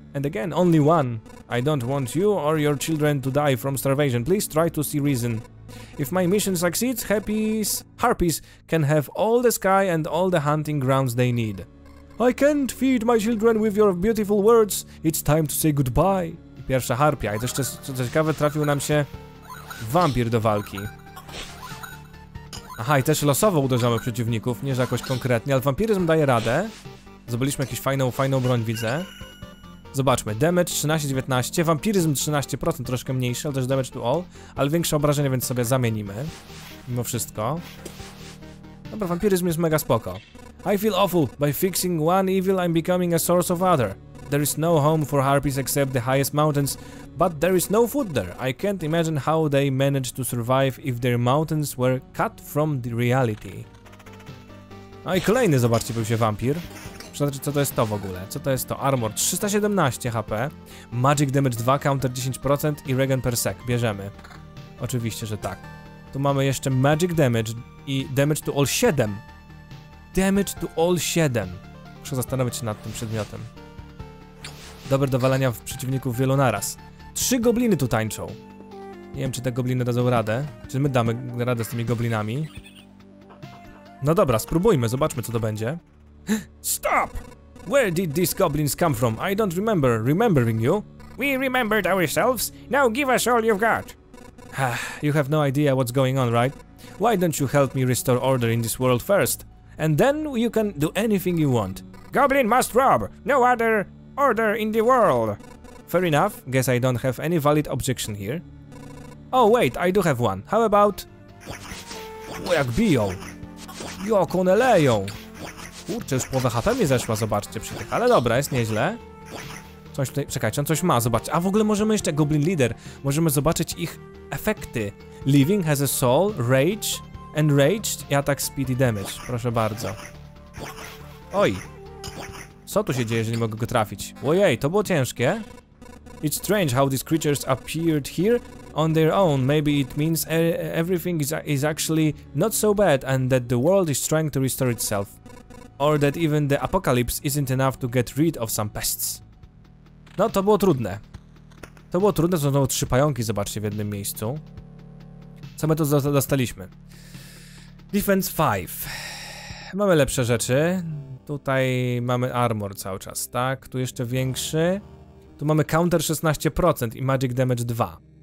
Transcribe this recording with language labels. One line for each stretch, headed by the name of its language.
English: And again, only one. I don't want you or your children to die from starvation. Please try to see reason. If my mission succeeds, harpies can have all the sky and all the hunting grounds they need. I can't feed my children with your beautiful words. It's time to say goodbye.
Polish: Pierwsza harpia. I jeszcze, co ciekawe, trafił nam się wampir do walki. Aha, i też losowo uderzamy przeciwników, nie że jakoś konkretnie, ale wampiryzm daje radę. Zdobyliśmy jakąś fajną broń, widzę. Zobaczmy, damage 13-19, vampiryzm 13%, troszkę mniejszy, ale też damage to all, ale większe obrażenie, więc sobie zamienimy, mimo wszystko. Dobra, vampiryzm jest mega spoko.
English: I feel awful, by fixing one evil I'm becoming a source of other. There is no home for harpies except the highest mountains, but there is no food there. I can't imagine how they managed to survive if their mountains were cut from the reality.
Polish: No i kolejny, zobaczcie, był się wampir. Co to jest to w ogóle? Co to jest to? Armor 317 HP, Magic Damage 2, Counter 10% i Regen per sec. Bierzemy. Oczywiście, że tak. Tu mamy jeszcze Magic Damage i Damage to All 7. Damage to All 7. Muszę zastanowić się nad tym przedmiotem. Dobre do walenia w przeciwników wielu naraz. Trzy gobliny tu tańczą. Nie wiem, czy te gobliny dadzą radę. Czy my damy radę z tymi goblinami? No dobra, spróbujmy. Zobaczmy, co to będzie.
English: Stop! Where did these goblins come from? I don't remembering you. We remembered ourselves. Now give us all you've got. You have no idea what's going on, right? Why don't you help me restore order in this world first? And then you can do anything you want. Goblin must rob! No other order in the world! Fair enough. Guess I don't have any valid objection here. Oh, wait, I do have one. How about...
Polish: Jak biją! Jak one leją! Kurczę, już połowę HP mi zeszła, zobaczcie przy tych, ale dobra, jest nieźle. Coś tutaj, czekajcie, on coś ma, zobaczcie. A w ogóle możemy jeszcze, Goblin Leader, możemy zobaczyć ich efekty. Living has a soul, rage, Enraged i atak speedy damage. Proszę bardzo. Oj. Co tu się dzieje, że nie mogę go trafić? Ojej, to było ciężkie.
English: It's strange how these creatures appeared here on their own. Maybe it means everything is actually not so bad and that the world is trying to restore itself. Or that even the apocalypse isn't enough to get rid of some pests.
Polish: No, to było trudne. To było trudne, to znowu trzy pająki, zobaczcie, w jednym miejscu. Co my tu dostaliśmy? Defense 5. Mamy lepsze rzeczy. Tutaj mamy armor cały czas, tak? Tu jeszcze większy. Tu mamy counter 16% i magic damage 2.